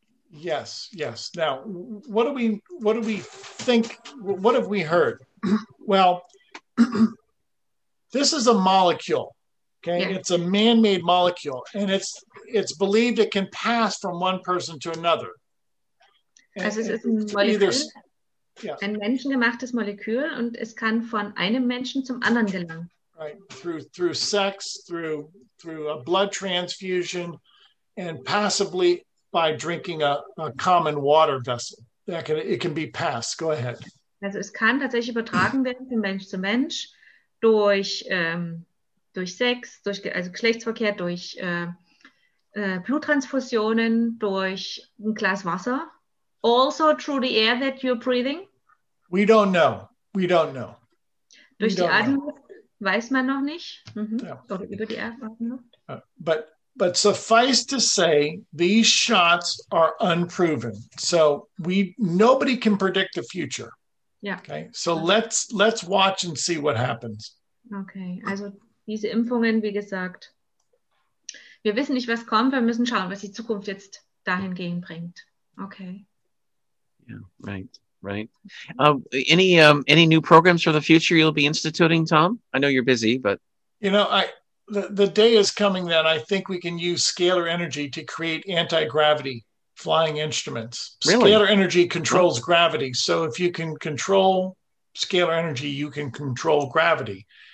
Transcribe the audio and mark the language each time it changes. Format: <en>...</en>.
<en>Yes, yes. Now, what have we heard? Well, this is a molecule, okay? Yeah. It's a man-made molecule, and it's believed it can pass from one person to another.</en> <de>Also es ist ein Molekül,</de> <en>either, yeah.</en> <de>ein menschengemachtes Molekül, und es kann von einem Menschen zum anderen gelangen.</de> <en>Right, through sex, through a blood transfusion, and possibly by drinking a common water vessel. It can be passed. Go ahead.</en> <de>Also es kann tatsächlich übertragen werden von Mensch zu Mensch durch Sex, durch also Geschlechtsverkehr, durch Bluttransfusionen, durch ein Glas Wasser.</de> <en>Also through the air that you're breathing? We don't know. We don't know.</en> <de>Durch die Atemluft weiß man noch nicht. Mhm. Yeah. Oder über die Atemluft.</de> <en>But suffice to say, these shots are unproven. So nobody can predict the future. Yeah. Okay. So let's watch and see what happens. Okay.</en> <de>Also diese Impfungen, wie gesagt, wir wissen nicht, was kommt. Wir müssen schauen, was die Zukunft jetzt dahingehend bringt. Okay.</de> <en>Yeah. Right. right. Any new programs for the future you'll be instituting, Tom? I know you're busy, but. You know, the day is coming that I think we can use scalar energy to create anti-gravity flying instruments. Really? Scalar energy controls gravity. So if you can control scalar energy, you can control gravity.</en>